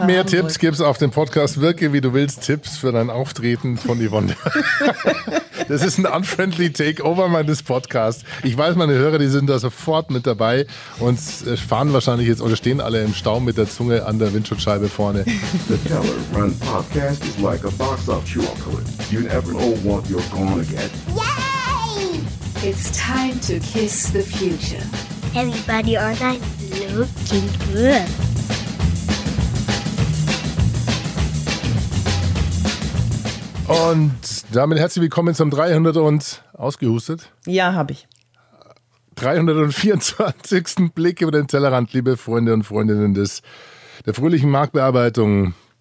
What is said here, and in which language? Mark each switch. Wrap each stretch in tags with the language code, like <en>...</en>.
<de>Und mehr Tipps gibt es auf dem Podcast Wirke, wie du willst, Tipps für dein Auftreten von Yvonne. Das ist ein unfriendly Takeover meines Podcasts. Ich weiß, meine Hörer, die sind da sofort mit dabei und fahren wahrscheinlich jetzt oder stehen alle im Stau mit der Zunge an der Windschutzscheibe vorne.</de> <en>The Teller Run Podcast is like a box of chocolate. You never know what you're gonna get. Yay! It's time to kiss the future. Everybody online looking good.</en> <de>Und damit herzlich willkommen zum 300 und ausgehustet. Ja, habe ich. 324. Blick über den Tellerrand, liebe Freunde und Freundinnen des der fröhlichen Marktbearbeitung.</de>